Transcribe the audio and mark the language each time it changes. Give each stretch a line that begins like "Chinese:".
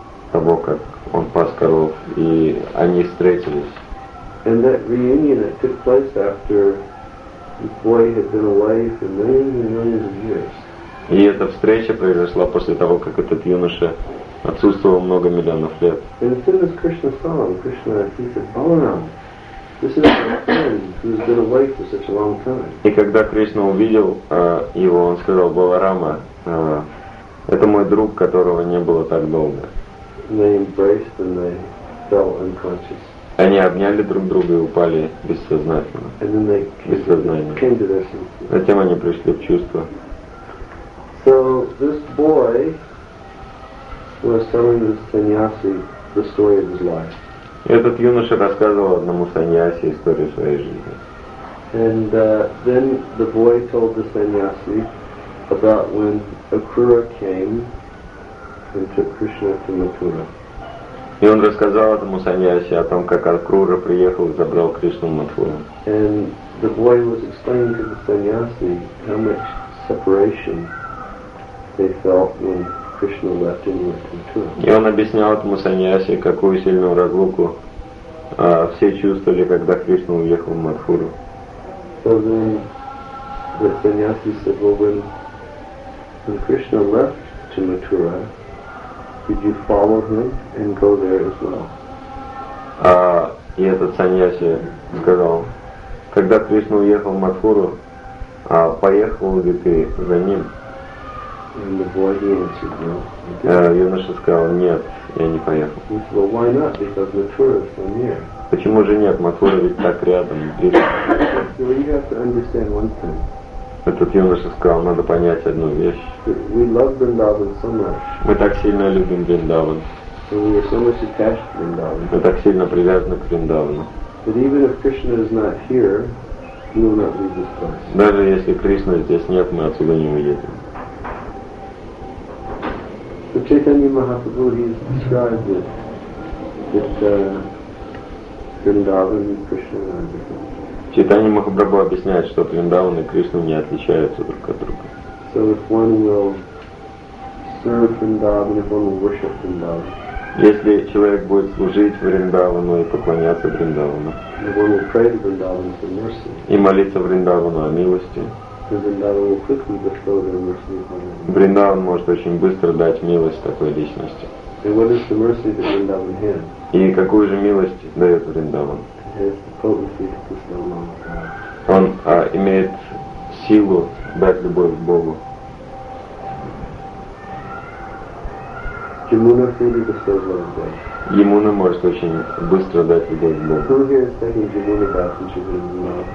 Russian: того, как он пас коров, и они встретились.
English: And that reunion that took place after the boy had been away for millions and millions of years.
Russian: И эта встреча произошла после того, как этот юноша отсутствовал много миллионов лет.
English: And it's in this Krishna song, Krishna, he said, Balaram, this is my friend who's been away for such a long time.
Russian: И когда Кришна увидел его, он сказал, Баларама, это мой друг, которого не было так долго.
English: They embraced and they fell unconscious.
Russian: Они обняли друг друга и упали бессознательно.
English: And then they came,
Russian: бессознательно.
English: Came to their senses.
Russian: Затем они пришли в чувство.
English: So this boy was telling this sannyasi the story of his life.
Russian: Этот юноша рассказывал одному саньяси историю своей жизни.
English: And then the boy told the sannyasi about when Akura came and took Krishna to Mathura.
Russian: И он рассказал этому саньяси о том, как Акрура приехал и забрал Кришну в Матхуру.
English: And the boy was explaining to the sannyasi how much separation they felt when Krishna left and went to Mathura.
Russian: И он объяснял этому саньяси, какую сильную разлуку все чувствовали, когда Кришна уехал в Матхуру.
English: So then the sannyasi said, well, when Krishna left to Mathura, did you follow him and go there as well?
Russian: И этот саньяси сказал, когда Кришна уехал в Матхуру, поехал ли ты за ним?
English: And the boy answered, no.
Russian: Юноша сказал, нет, я не поехал.
English: He said, well, why not? Because Mathura is so near.
Russian: Почему же нет? Матхура ведь так рядом.
English: So you have to understand one thing.
Russian: Этот юноша сказал, надо понять одну вещь.
English: We love Vrindavan so much.
Russian: Мы так сильно любим Вриндаван.
English: So we are so much attached to Vrindavan.
Russian: Мы так сильно привязаны к Вриндавану.
English: But even if Krishna is not here, we will not leave this place.
Russian: Даже если Кришны здесь нет, мы отсюда не уедем.
English: So Chaitanya Mahaprabhu, he has described that Vrindavan and Krishna are different.
Russian: Читание Махапрабху объясняет, что Вриндаван и Кришна не отличаются друг от друга.
English: So if one will serve Vrindavan, if one will worship Vrindavan.
Russian: Если человек будет служить Вриндавану и поклоняться Вриндавану.
English: If one will pray to Vrindavan for mercy.
Russian: И молиться Вриндавану о милости.
English: Then Vrindavan will quickly bestow their mercy upon him.
Russian: Вриндаван может очень быстро дать милость такой личности.
English: And what is the mercy that Vrindavan has?
Russian: И какую же милость дает Вриндаван? Он имеет силу дать любовь к Богу.
English: Yamuna freely bestows love to God.
Russian: Yamuna может очень быстро дать любовь к Богу.
English: Who here is taking Yamuna bath when she's in Vrindavan?